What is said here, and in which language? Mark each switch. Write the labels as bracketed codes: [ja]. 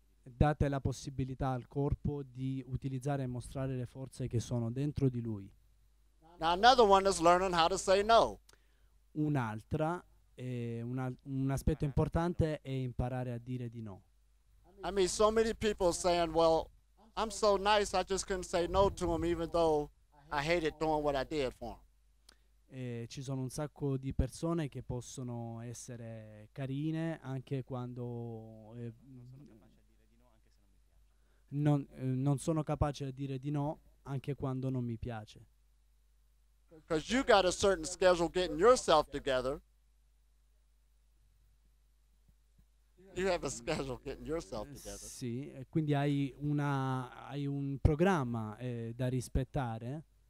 [it] Date la possibilità al corpo di utilizzare e mostrare le forze che sono dentro di lui. [en] Now another one is learning how to say no. [it] Un aspetto importante è imparare a dire di no. [en] I mean, so many people saying, well, I'm so nice, I just couldn't say no to him even though I hated doing what I did for him. [it] Ci sono un sacco di persone che possono essere carine anche quando non sono capace a dire di no anche quando non mi piace. [en] Because you got a certain schedule getting yourself together. You have a schedule getting yourself together. [it] Sì, quindi hai un programma da rispettare.